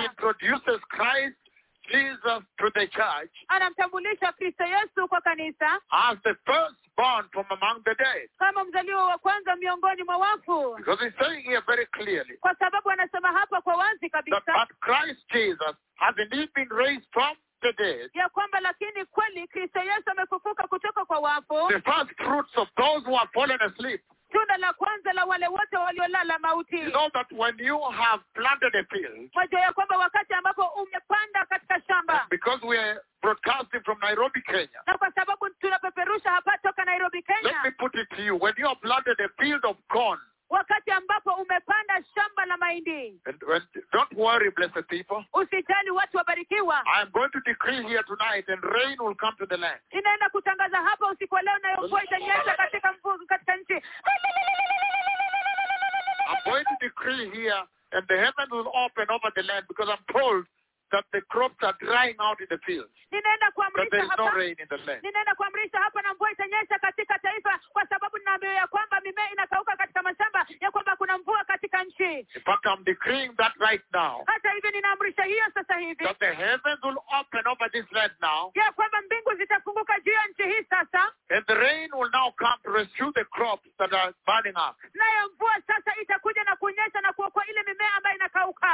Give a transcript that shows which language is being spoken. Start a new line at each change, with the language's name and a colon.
English: He introduces Christ Jesus to the church.
Swahili: Anamtambulisha Kristo Yesu kwa kanisa.
English: As the firstborn from among the dead.
Swahili: Kama mzaliwa wa kwanza miongoni mwa wafu.
English: Because he's saying here very clearly.
Swahili: Kwa sababu anasema hapa kwa wazi kabisa.
English: That Christ Jesus has indeed been raised from
Swahili: ya kwamba lakini kweli Kristo Yesu amefufuka kutoka kwa wafu.
English: The first fruits of those who have fallen asleep.
Swahili: Tunda la kwanza la wale wote waliolala mauti.
English: You know that when you have planted a field.
Swahili: Wajua ya kwamba wakati ambapo umepanda katika shamba.
English: Because we are broadcasting from Nairobi, Kenya.
Swahili: Na kwa sababu tunapeperusha hapa toka Nairobi, Kenya.
English: Let me put it to you. When you have planted a field of corn.
Swahili: Wakati ambapo umepanda shamba la mahindi.
English: Don't worry, blessed people.
Swahili: Usijali watu wabarikiwa.
English: I am going to decree here tonight and rain will come to the land.
Swahili: Inaenda kutangaza hapa usiku leo na mvua itanyesha katika mvua katika nchi.
English: I'm going to decree here and the heavens will open over the land because I'm told that the crops are drying out in the fields.
Swahili: Ninaenda kuamrisha hapa.
English: There is no rain in the land.
Swahili: Ninaenda kuamrisha hapa na mvua itanyesha katika taifa kwa sababu ninaambiwa ya kwamba mimea inakauka katika mashamba ya kwamba kuna mvua katika nchi.
English: In fact, I'm decreeing that right now.
Swahili: Hata hivi ninaamrisha hiyo sasa hivi.
English: That the heavens will open over this land now.
Swahili: Ya kwamba mbingu zitafunguka juu ya nchi hii sasa.
English: And the rain will now come to rescue the crops that are burning up.
Swahili: Nayo mvua sasa itakuja na kunyesha na kuokoa ile mimea ambayo inakauka.